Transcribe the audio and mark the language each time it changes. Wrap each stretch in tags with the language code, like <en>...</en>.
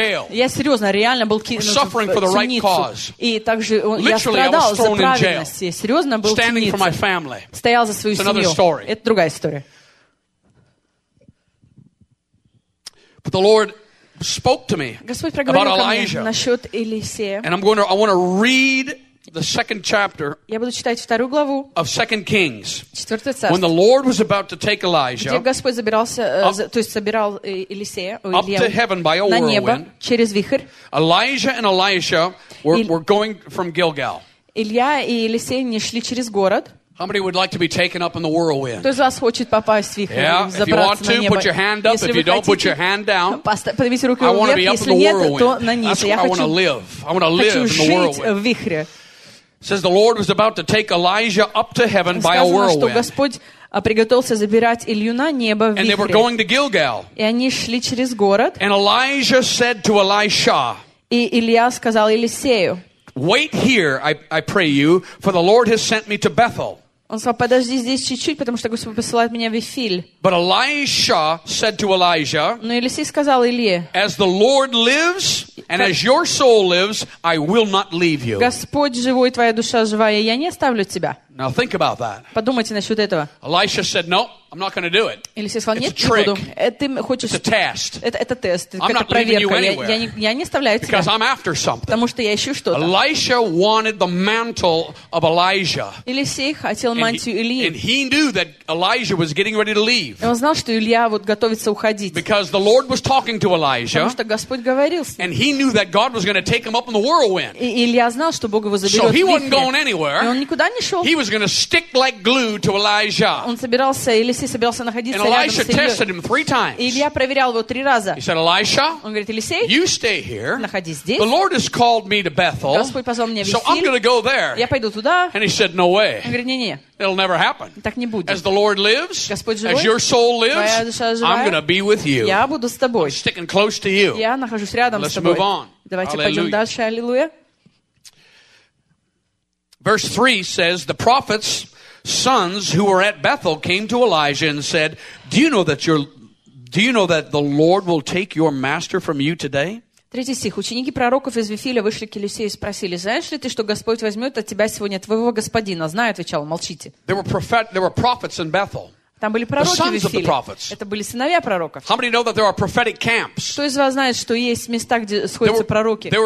<ru>Я серьезно, реально был кинут в темницу. И также я страдал за праведность. Я серьезно был в темнице. Стоял за свою семью. Это другая история.</ru> <en>But the Lord spoke to me</en> <ru>Господь проговорил ко мне насчет Елисея.</ru> <en>And I'm going to, I want to read the second chapter</en> <ru>я буду читать вторую главу</ru> <en>of 2 Kings.</en> <ru>Четвертое царство.</ru> <en>When the Lord was about to take Elijah,</en> <ru>где Господь забирался, то есть собирал Елисея,</ru> <en>up to heaven by a whirlwind,</en> <ru>на небо, через вихрь.</ru> <en>Elijah and Elisha were going from Gilgal.</en> <ru>Илья и Елисей не шли через город.</ru> <en>How many would like to be taken up in the whirlwind?</en> <ru>Кто из вас хочет попасть в вихрь,</ru> <en>yeah,</en> <ru>забраться</ru> <en>if you want</en> <ru>на</ru> <en>to,</en> <ru>небо.</ru> <en>Put your hand up.</en> <ru>Если</ru> <en>if you don't, put your hand down.</en> <ru>Поднимите руку вверх, если нет, то на</ru> <en>низ. That's where I want to live. I want to live in the whirlwind. Says the Lord was about to take Elijah up to heaven by a whirlwind.</en> <ru>А приготовился забирать Илью на небо в вихре. И они шли через город.</ru> <en>And Elijah said to Elisha.</en> <ru>И Илья сказал Елисею.</ru> <en>Wait here, I pray you, for the Lord has sent me to Bethel.</en> <ru>Он сказал, подожди здесь чуть-чуть, потому что Господь посылает меня в Вифиль.</ru> <en>But Elisha said to Elijah,</en> <ru>но Елисей сказал Илье,</ru> <en>as the Lord lives, and as your soul lives, I will not leave you.</en> <ru>Господь живой, твоя душа живая, я не оставлю тебя.</ru> <en>Now think about that.</en> <ru>Подумайте насчет этого.</ru> <en>Elisha said, no, I'm not going to do it.</en> <ru>Елисей сказал, нет, не буду. Ты хочешь...</ru> <en>It's a test.</en> <ru>Это тест.</ru> <en>I'm not leaving you anywhere.</en> <ru>Я не оставляю тебя.</ru> <en>Because I'm after something.</en> <ru>Потому что я ищу что-то.</ru> <en>Elisha wanted the mantle of Elijah.</en> <ru>Елисей хотел мантию Ильи.</ru> <en>And he knew that Elijah was getting ready to leave.</en> <ru>Он знал, что Илья вот готовится уходить.</ru> <en>Because the Lord was talking to Elijah.</en> <ru>Потому что Господь говорил с ним.</ru> <en>And he knew that God was going to take him up in the whirlwind.</en> <ru>И Илья знал, что Бог его заберет в вихре.</ru> <en>So he wasn't going anywhere.</en> <ru>И он никуда не шел.</ru> <en>He was going to stick like glue to Elijah.</en> <ru>Он собирался, Елисей собирался находиться рядом с Ильей.</ru> <en>And Elisha tested him three times.</en> <ru>И Илья проверял его три раза.</ru> <en>He said, Elisha,</en> <ru>он говорит, Елисей,</ru> <en>you stay here.</en> <ru>Находись здесь.</ru> <en>The Lord has called me to Bethel.</en> <ru>Господь позвал меня в Вифиль.</ru> <en>So I'm going to go there.</en> <ru>Я пойду туда.</ru> <en>And he said, no way.</en> <ru>Он говорит, не-не.</ru> <en>It'll never happen.</en> <ru>Так не будет.</ru> <en>As the Lord lives,</en> <ru>Господь живой,</ru> <en>as your soul lives,</en> <ru>твоя душа живая,</ru> <en>I'm going to be with you.</en> <ru>Я буду с тобой.</ru> <en>I'm sticking close to you.</en> <ru>Я нахожусь рядом</ru> <en>Let's</en> <ru>с тобой.</ru> <en>Move on.</en> <ru>Давайте</ru> <en>Alleluia.</en> <ru>Пойдем дальше. Аллилуйя.</ru> <en>Verse 3 says, the prophet's sons who were at Bethel came to Elijah and said, do you know that the Lord will take your master from you today?</en> <ru>Третий стих. Ученики пророков из Вифиля вышли к Елисею и спросили: «Знаешь ли ты, что Господь возьмет от тебя сегодня твоего господина?» «Знаю», — отвечал, — «молчите». Там были пророки в Вифиле. Это были сыновья пророков. Кто из вас знает, что есть места, где сходятся пророки?</ru>